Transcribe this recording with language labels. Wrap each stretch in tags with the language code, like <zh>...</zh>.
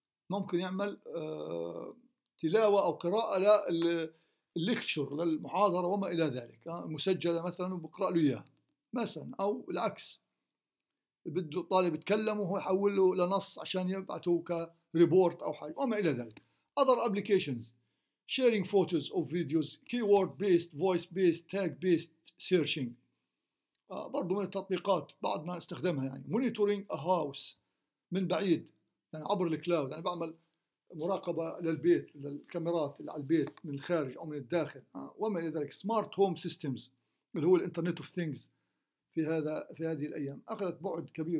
<ar>ممكن يعمل تلاوة أو قراءة للليكتشر للمحاضرة وما إلى ذلك، مسجلة مثلا وبقرأ له إياها مثلا، أو العكس بده الطالب يتكلم وهو يحول له لنص عشان يبعثه كريبورت أو حاجة وما إلى ذلك.</ar> <en>Other applications: sharing photos or videos, keyword based, voice based, tag based searching.</en> <ar>برضو من التطبيقات بعض ما استخدمها يعني</ar> <en>monitoring a house</en> <ar>من بعيد يعني عبر الكلاود، يعني بعمل مراقبة للبيت للكاميرات اللي على البيت من الخارج أو من الداخل وما إلى ذلك.</ar> <en>smart home systems</en> <ar>اللي هو الانترنت of things في هذه الأيام أخذت بعد كبير.</ar>